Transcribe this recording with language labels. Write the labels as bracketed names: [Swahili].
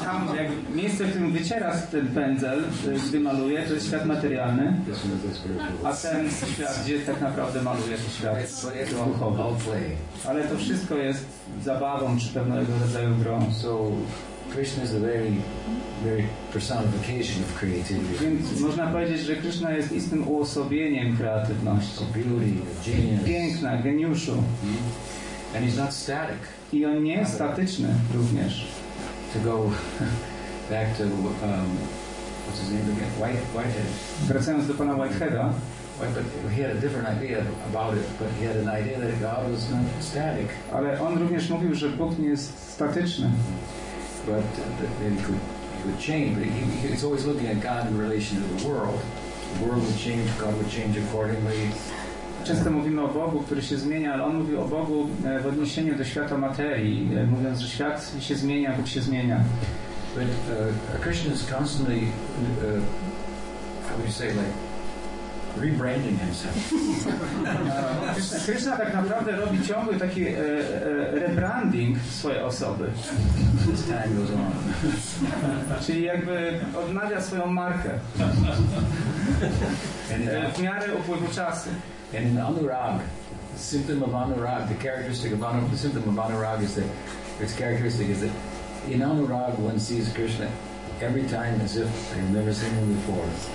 [Polish] Tam, jak miejsce, w którym wyciera ten pędzel, gdy maluje, to jest świat materialny. [English] This one is the spiritual. [Polish] A ten świat, gdzie tak naprawdę maluje, to świat duchowy. Ale to wszystko jest zabawą czy pewnego rodzaju grą. [English] So Krishna is the very, very personification of creativity. [Polish] Więc można powiedzieć, że Krishna jest istym uosobieniem kreatywności. [English] Of beauty, of genius. [Polish] Piękna, geniuszu. [English] And he's not static. [Polish] I on nie jest statyczny również. [English] To go back to what's his name again? Whitehead. [Polish] Wracając do pana Whiteheada. [English] But he had a different idea about it. But he had an idea that God was not static. [Polish] Ale on również mówił, że Bóg nie jest statyczny. [English] But he could change. But he's always looking at God in relation to the world. The world would change. God would change accordingly. [Polish] Często mówimy o Bogu, który się zmienia, ale on mówił o Bogu w odniesieniu do świata materii, mówiąc, że świat się zmienia, Bóg się zmienia. [English] But Krishna is constantly, how do you say, like, rebranding himself. [Polish] Krishna tak naprawdę robi ciągły taki rebranding swojej osoby. [English] As time goes on. [Polish] Czyli jakby odnawia swoją markę. W miarę upływu czasu. [English] And in Anurag, the symptom of Anurag, the characteristic of Anurag, the symptom of Anurag is that its characteristic is that in Anurag one sees Krishna every time as if I've never seen him before.